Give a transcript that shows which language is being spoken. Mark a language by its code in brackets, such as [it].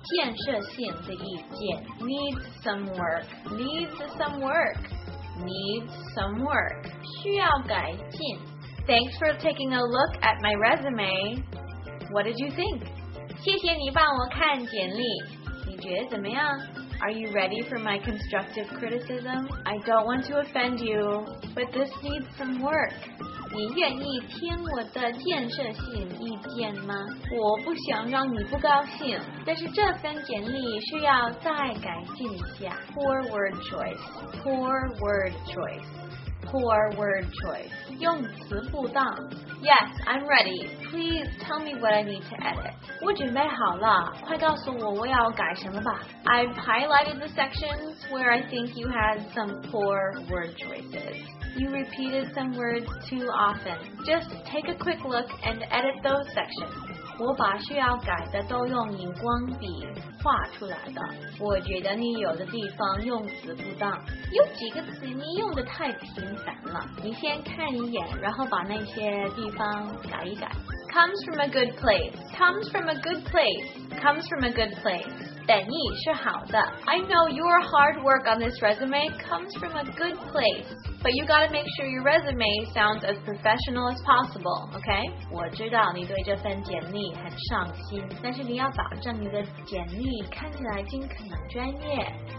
[zh] 建设性的意见 [en] needs some work, needs some work, needs some work. [zh] 需要改进 [en] Thanks for taking a look at my resume. What did you think? [zh] 谢谢你帮我看简历，你觉得怎么样？ [en] Are you ready for my constructive criticism? I don't want to offend you, but this needs some work. [zh] 你愿意听我的建设性意见吗？我不想让你不高兴，但是这份简历需要再改进一下。 [en] Poor word choice. Poor word choice. Poor word choice. [zh] 用词不当。 [en] Yes, I'm ready. Please tell me what I need to edit. [zh] 我准备好了，快告诉我我要改什么吧。 [en] I've highlighted the sections where I think you had some poor word choices. You repeated some words too often. Just take a quick look and edit those sections. [zh] 我把需要改的都用荧光笔画出来的。我觉得你有的地方用词不当，有几个词你用得太频繁了。你先看一眼，然后把那些地方改一改。 [en] Comes from a good place. Comes from a good place. Comes from a good place. [zh] 本意是好的。 [en] I know your hard work on this resume comes from a good place. But you gotta make sure your resume sounds as professional as possible, okay? [zh] 我知道你对这份简历很上心，但是你要保证你的简历看起来尽可能专业。